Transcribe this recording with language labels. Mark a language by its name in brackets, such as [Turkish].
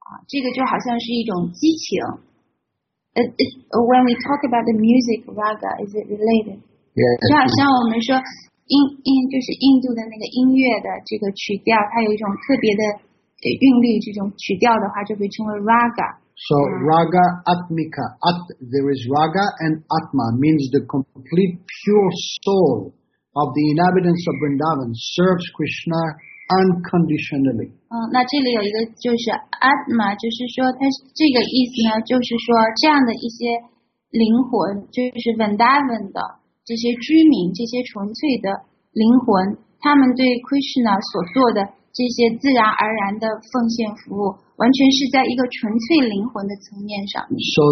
[English] When we talk about the music raga, is it related? Yes. [Chinese] 就好像我们说印度的那个音乐的这个曲调，它有一种特别的韵律，这种曲调的话就被称为 raga. [English] So raga atmika, at there is raga and atma means the complete pure soul of the inhabitants of Vrindavan serves Krishna unconditionally. [Chinese] 那这里有一个就是 atma， 就是说它这个意思呢，就是说这样的一些灵魂，就是 Vrindavan 的这些居民，这些纯粹的灵魂，他们对 Krishna 所做的这些自然而然的奉献服务，完全是在一个纯粹灵魂的层面上。So